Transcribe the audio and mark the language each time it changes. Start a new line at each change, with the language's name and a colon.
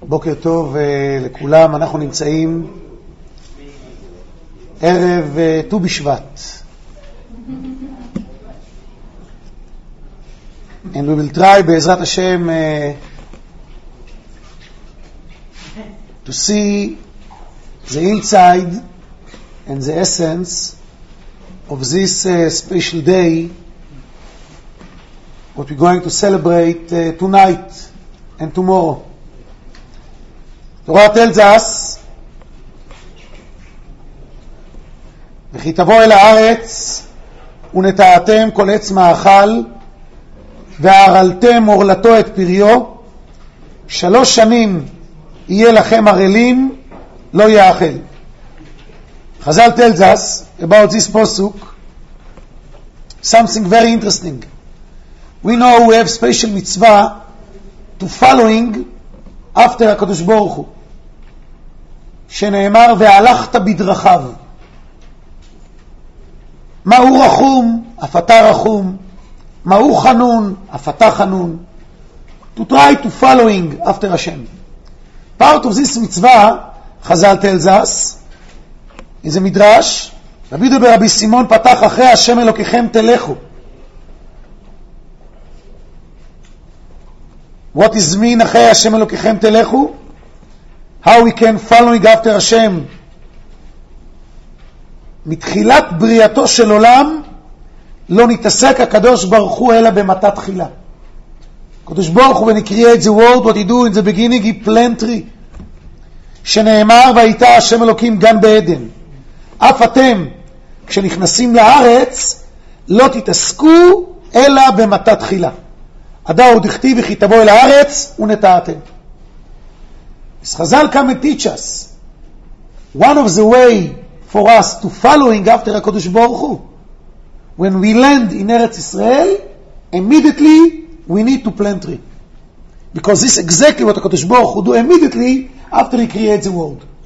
Hebrew: בוקר טוב לכולם, אנחנו נמצאים ערב ט"ו בשבט.
English: And we will try,
Hebrew: בעזרת השם,
English: to see the inside and the essence of this special day, what we're going to celebrate tonight and tomorrow. Torah tells us,
Hebrew: וכי תבוא אל הארץ ונטעתם כל עץ מאכל והרלתם מורלתו את פריו, שלוש שנים יהיה לכם הרלים, לא יאכל.
English: חזל tells us about this posuk something very interesting. We know we have special mitzvah to following after הקדוש ברוך הוא,
Hebrew: שנאמר והלכת בדרכיו. מה הוא רחום? אף אתה רחום. מה הוא חנון? אף אתה חנון.
English: To try to following after Hashem. Part of this mitzvah, חזל tells us, is a midrash,
Hebrew: רבי דבר רבי סימון פתח, אחרי השם אלוקיכם תלכו.
English: What is mean,
Hebrew: אחרי השם אלוקיכם תלכו?
English: How we can follow after Hashem?
Hebrew: מתחילת בריאתו של עולם לא נתעסק הקדוש ברוך הוא אלא במתת תחילה.
English: הקדוש ברוך הוא, when he created the world, what he do in the beginning, he plant tree,
Hebrew: שנאמר והייתה השם אלוקים גן בעדן. אף אתם כשנכנסים לארץ לא תתעסקו אלא במתת תחילה. הדא עוד הכתיב וכי תבוא אל הארץ ונטעתם.
English: As Chazal come and teach us, one of the way for us to following after HaKadosh Baruch Hu, when we land in Eretz Israel, immediately we need to plant tree. Because this is exactly what HaKadosh Baruch Hu do immediately after He creates the world.